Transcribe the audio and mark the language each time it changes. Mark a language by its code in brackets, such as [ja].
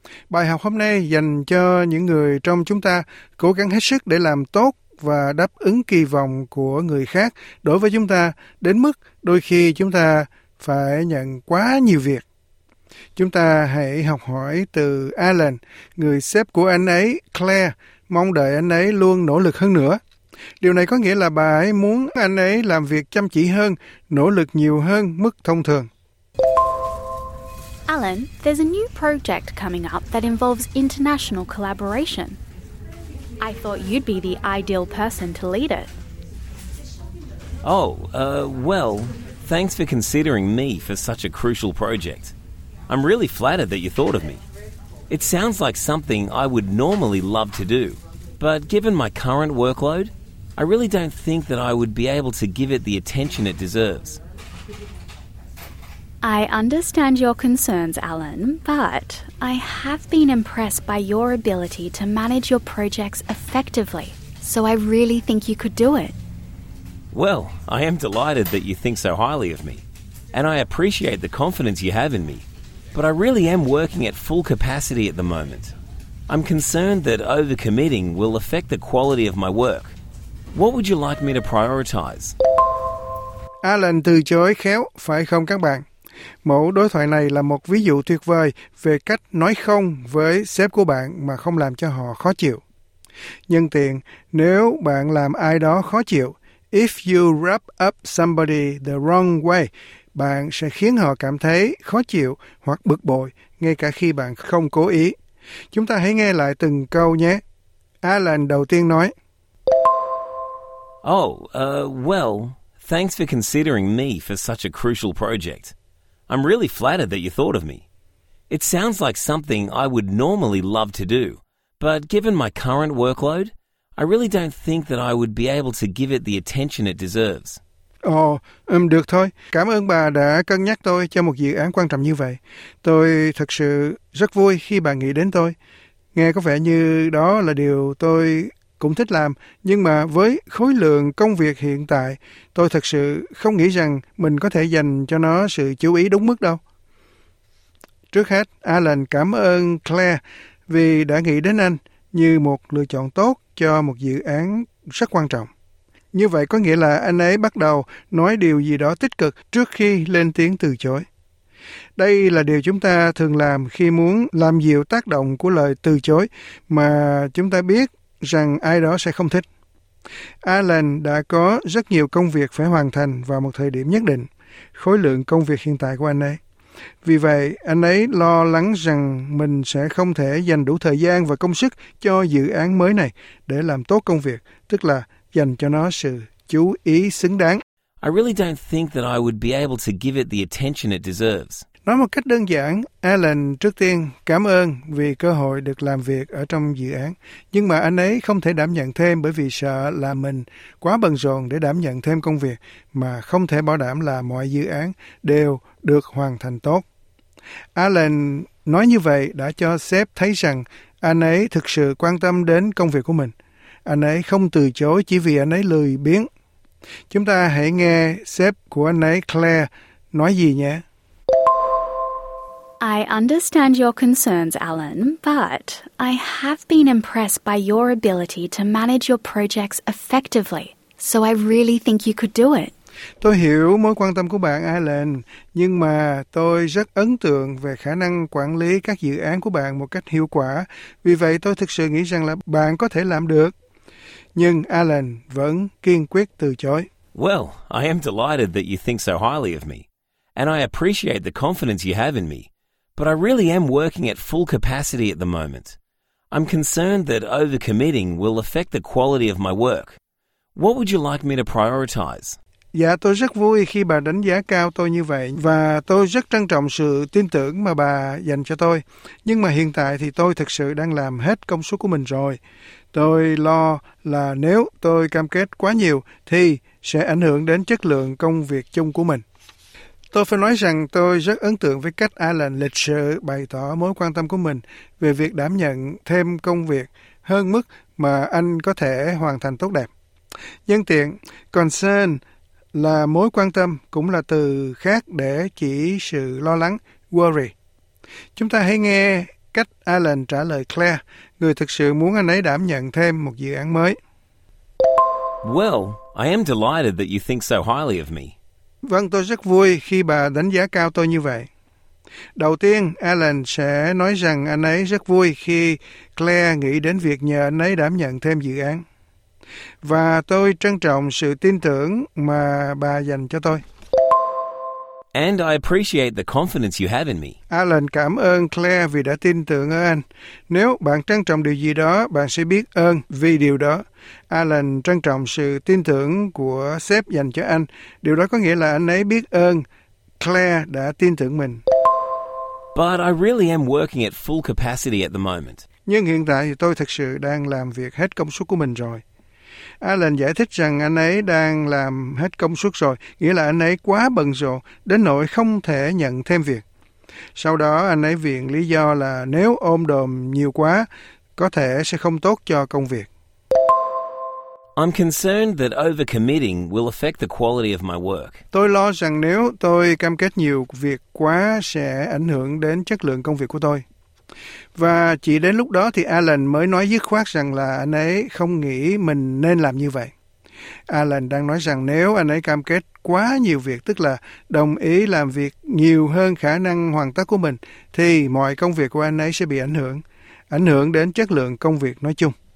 [vi] Bài học hôm nay dành cho những người trong chúng ta cố gắng hết sức để làm tốt và đáp ứng kỳ vọng của người khác đối với chúng ta đến mức đôi khi chúng ta phải nhận quá nhiều việc. Chúng ta hãy học hỏi từ Alan, người sếp của anh ấy, Claire, mong đợi anh ấy luôn nỗ lực hơn nữa. Điều này có nghĩa là bà ấy muốn anh ấy làm việc chăm chỉ hơn, nỗ lực nhiều hơn mức thông thường. [en] Alan, there's a new project coming up that involves international collaboration. I thought you'd be the ideal person to lead it. Well, thanks for considering me for such a crucial project. I'm really flattered that you thought of me. It sounds like something I would normally love to do, but given my current workload, I really don't think that I would be able to give it the attention it deserves. I understand your concerns, Alan, but I have been impressed by your ability to manage your projects effectively, so I really think you could do it. Well, I am delighted that you think so highly of me, and I appreciate the confidence you have in me. But I really am working at full capacity at the moment. I'm concerned that overcommitting will affect the quality of my work. What would you like me to prioritize? [vi] Alan từ chối khéo, phải không các bạn? Mẫu đối thoại này là một ví dụ tuyệt vời về cách nói không với sếp của bạn mà không làm cho họ khó chịu. Nhân tiện, nếu bạn làm ai đó khó chịu, [en] if you wrap up somebody the wrong way, [vi] bạn sẽ khiến họ cảm thấy khó chịu hoặc bực bội, ngay cả khi bạn không cố ý. Chúng ta hãy nghe lại từng câu nhé. Alan đầu tiên nói. [en] Well, thanks for considering me for such a crucial project. I'm really flattered that you thought of me. It sounds like something I would normally love to do, but given my current workload, I really don't think that I would be able to give it the attention it deserves. [vi] Được thôi. Cảm ơn bà đã cân nhắc tôi cho một dự án quan trọng như vậy. Tôi thật sự rất vui khi bà nghĩ đến tôi. Nghe có vẻ như đó là điều tôi cũng thích làm, nhưng mà với khối lượng công việc hiện tại, tôi thật sự không nghĩ rằng mình có thể dành cho nó sự chú ý đúng mức đâu. Trước hết, Alan cảm ơn Claire vì đã nghĩ đến anh như một lựa chọn tốt cho một dự án rất quan trọng. Như vậy có nghĩa là anh ấy bắt đầu nói điều gì đó tích cực trước khi lên tiếng từ chối. Đây là điều chúng ta thường làm khi muốn làm dịu tác động của lời từ chối mà chúng ta biết rằng ai đó sẽ không thích. Alan đã có rất nhiều công việc phải hoàn thành vào một thời điểm nhất định, khối lượng công việc hiện tại của anh ấy. Vì vậy, anh ấy lo lắng rằng mình sẽ không thể dành đủ thời gian và công sức cho dự án mới này để làm tốt công việc, tức là dành cho nó sự chú ý xứng đáng. [en] I really don't think that I would be able to give it the attention it deserves. [vi] Nói một cách đơn giản, Alan trước tiên cảm ơn vì cơ hội được làm việc ở trong dự án, nhưng mà anh ấy không thể đảm nhận thêm bởi vì sợ là mình quá bận rộn để đảm nhận thêm công việc mà không thể bảo đảm là mọi dự án đều được hoàn thành tốt. Alan nói như vậy đã cho sếp thấy rằng anh ấy thực sự quan tâm đến công việc của mình. Anh ấy không từ chối chỉ vì anh ấy lười biếng. Chúng ta hãy nghe sếp của anh ấy, Claire, nói gì nhé. [en] I understand your concerns, Alan, but I have been impressed by your ability to manage your projects effectively, so I really think you could do it. [vi] Tôi hiểu mối quan tâm của bạn, Alan, nhưng mà tôi rất ấn tượng về khả năng quản lý các dự án của bạn một cách hiệu quả. Vì vậy, tôi thực sự nghĩ rằng là bạn có thể làm được. Nhưng Alan vẫn kiên quyết từ chối. [en] Well, I am delighted that you think so highly of me, and I appreciate the confidence you have in me. But I really am working at full capacity at the moment. I'm concerned that overcommitting will affect the quality of my work. What would you like me to prioritize? [vi] Dạ, tôi rất vui khi bà đánh giá cao tôi như vậy và tôi rất trân trọng sự tin tưởng mà bà dành cho tôi. Nhưng mà hiện tại thì tôi thực sự đang làm hết công suất của mình rồi. Tôi lo là nếu tôi cam kết quá nhiều thì sẽ ảnh hưởng đến chất lượng công việc chung của mình. Tôi phải nói rằng tôi rất ấn tượng với cách Alan lịch sự bày tỏ mối quan tâm của mình về việc đảm nhận thêm công việc hơn mức mà anh có thể hoàn thành tốt đẹp. Nhân tiện, concern là mối quan tâm, cũng là từ khác để chỉ sự lo lắng, worry. Chúng ta hãy nghe cách Alan trả lời Claire, người thực sự muốn anh ấy đảm nhận thêm một dự án mới. [en] Well, I am delighted that you think so highly of me. [vi] Vâng, tôi rất vui khi bà đánh giá cao tôi như vậy. Đầu tiên, Alan sẽ nói rằng anh ấy rất vui khi Claire nghĩ đến việc nhờ anh ấy đảm nhận thêm dự án. Và tôi trân trọng sự tin tưởng mà bà dành cho tôi. [en] And I appreciate the confidence you have in me. [vi] Alan cảm ơn Claire vì đã tin tưởng ở anh. Nếu bạn trân trọng điều gì đó, bạn sẽ biết ơn vì điều đó. Alan trân trọng sự tin tưởng của sếp dành cho anh. Điều đó có nghĩa là anh ấy biết ơn Claire đã tin tưởng mình. [en] But I really am working at full capacity at the moment. [vi] Nhưng hiện tại thì tôi thực sự đang làm việc hết công suất của mình rồi. Alan giải thích rằng anh ấy đang làm hết công suất rồi, nghĩa là anh ấy quá bận rộn đến nỗi không thể nhận thêm việc. Sau đó anh ấy viện lý do là nếu ôm đồm nhiều quá, có thể sẽ không tốt cho công việc. [en] I'm concerned that overcommitting will affect the quality of my work. [vi] Tôi lo rằng nếu tôi cam kết nhiều việc quá sẽ ảnh hưởng đến chất lượng công việc của tôi. Và chỉ đến lúc đó thì Alan mới nói dứt khoát rằng là anh ấy không nghĩ mình nên làm như vậy. Alan đang nói rằng nếu anh ấy cam kết quá nhiều việc, tức là đồng ý làm việc nhiều hơn khả năng hoàn tất của mình, thì mọi công việc của anh ấy sẽ bị ảnh hưởng đến chất lượng công việc nói chung.